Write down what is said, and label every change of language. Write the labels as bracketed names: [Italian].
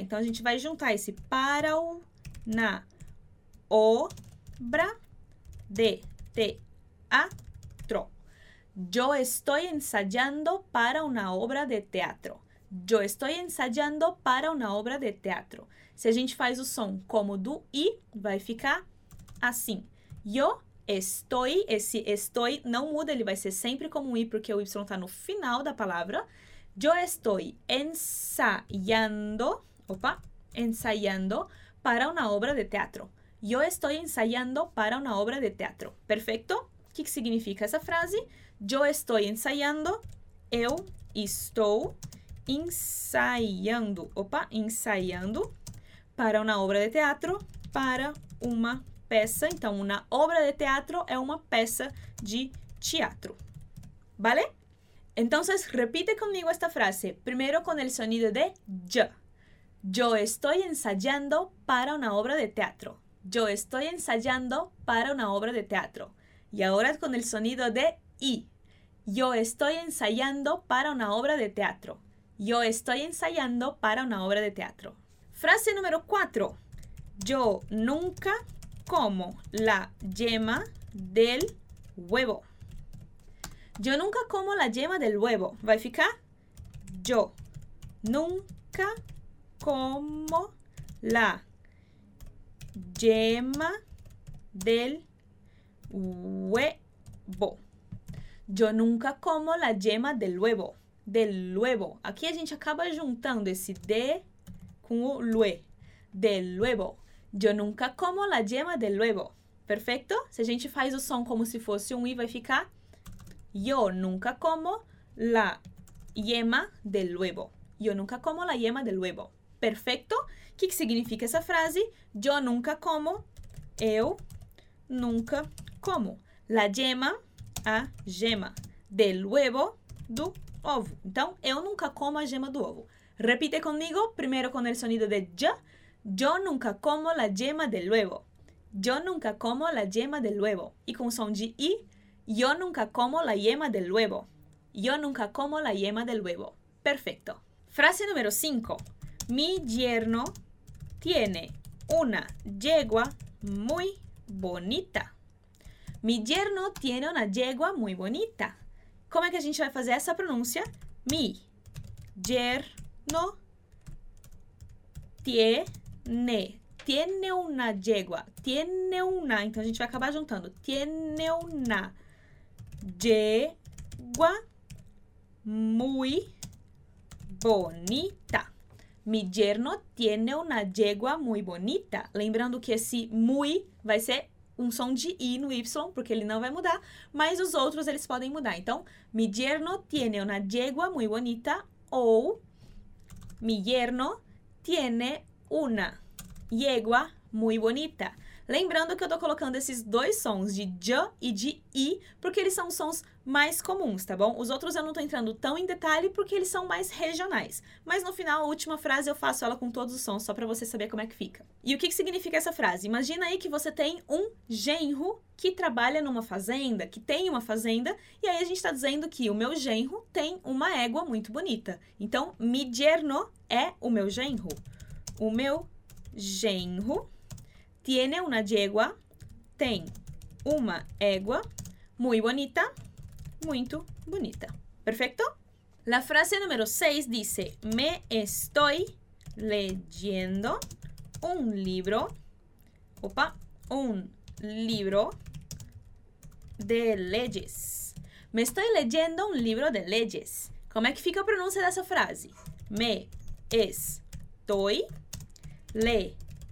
[Portuguese] Então, a gente vai juntar esse [Spanish] para una obra de teatro. Yo estoy ensayando para una obra de teatro. Yo estoy ensayando para una obra de teatro. [Portuguese] Se a gente faz o som como do I, vai ficar assim. [Spanish] Yo estoy, [Portuguese] esse estoy não muda, ele vai ser sempre como um I, porque o Y está no final da palavra. [Spanish] Yo estoy ensayando, opa, ensayando para una obra de teatro. Yo estoy ensayando para una obra de teatro. [Portuguese] Perfeito? O que significa essa frase? [Spanish] Yo estoy ensayando, [Portuguese] eu estou ensaiando, opa, ensaiando para uma obra de teatro, para uma peça. Então, uma obra de teatro é uma peça de teatro. Vale? Então, repite comigo esta frase. Primeiro com o sonido de J. [Spanish] Yo estoy ensayando para una obra de teatro. Yo estoy ensayando para una obra de teatro. [Portuguese] E agora com o sonido de I. [Spanish] Yo estoy ensayando para una obra de teatro. Yo estoy ensayando para una obra de teatro. Frase número 4. Yo nunca como la yema del huevo. Yo nunca como la yema del huevo. ¿Va a ficar? Yo nunca como la yema del huevo. Yo nunca como la yema del huevo. Del huevo. [Portuguese] Aqui a gente acaba juntando esse de com o lue. Del huevo. [Spanish] Yo nunca como la yema del huevo. Perfecto? [Portuguese] Se a gente faz o som como se fosse um i, vai ficar [Spanish] Yo nunca como la yema del huevo. Yo nunca como la yema del huevo. Perfecto? [Portuguese] O que significa essa frase? [Spanish] Yo nunca como. [Portuguese] Eu nunca como. [Spanish] La yema, [Portuguese] a gema. [Spanish] Del huevo, [Portuguese] do ovo. Então, eu nunca como a gema do ovo. Repite comigo, primeiro com o sonido de ya. [Spanish] Yo nunca como la yema del huevo. Yo nunca como la yema del huevo. [Portuguese] E com som de i. [Spanish] Yo nunca como la yema del huevo. Yo nunca como la yema del huevo. Perfecto. Frase número 5. Mi yerno tiene una yegua muy bonita. Mi yerno tiene una yegua muy bonita. [Portuguese] Como é que a gente vai fazer essa pronúncia? [Spanish] Mi yerno tiene. Tiene una yegua. Tiene una. [Portuguese] Então a gente vai acabar juntando. [Spanish] Tiene una yegua muy bonita. Mi yerno tiene una yegua muy bonita. [Portuguese] Lembrando que esse muy vai ser um som de i no y, porque ele não vai mudar, mas os outros eles podem mudar. [Spanish] Então, mi yerno tiene una yegua muy bonita ou mi yerno tiene una yegua muy bonita. [Portuguese] Lembrando que eu tô colocando esses dois sons de j e de i, porque eles são sons mais comuns, tá bom? Os outros eu não tô entrando tão em detalhe, porque eles são mais regionais. Mas no final, a última frase, eu faço ela com todos os sons, só pra você saber como é que fica. E o que que significa essa frase? Imagina aí que você tem um genro que trabalha numa fazenda, que tem uma fazenda, e aí a gente tá dizendo que o meu genro tem uma égua muito bonita. Então, mi yerno é o meu genro. O meu genro [Spanish] tiene una yegua, [Portuguese] tem uma égua, [Spanish] muy bonita, [Portuguese] muito bonita. [Spanish] Perfecto? La frase número 6 dice, me estoy leyendo un libro, opa, un libro de leyes. Me estoy leyendo un libro de leyes. [Portuguese] Como é que fica a pronúncia dessa frase? [Spanish] Me estoy leyendo.